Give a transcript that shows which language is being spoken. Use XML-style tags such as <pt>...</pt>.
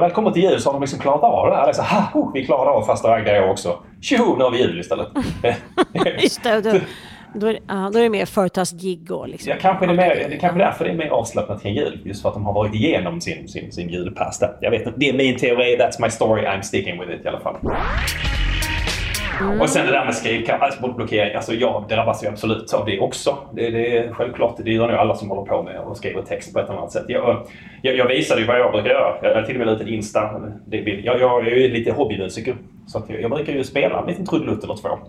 <sv>Men välkomna till jul, så har de liksom klarat av det här. Det är så här, vi klarar av fasta raggar också. Tjoho, nu har vi jul istället. Just det, då är det mer företagsgig och liksom. Ja, kanske det är kanske därför det är mer avslappnat kring jul. Just för att de har varit igenom sin julpass där. Jag vet inte, det är min teori.</sv> <en>That's my story, I'm sticking with it</en> <sv>i alla fall. Och sen det där med skrivblockering, alltså jag drabbas ju absolut av det också. Det är självklart, det gör nog alla som håller på med att skriva text på ett eller annat sätt. Jag visar ju vad jag brukar göra, jag har till och med lite Insta. Jag är ju lite hobbymusiker, så att jag brukar ju spela en liten trudelutt eller två.</sv>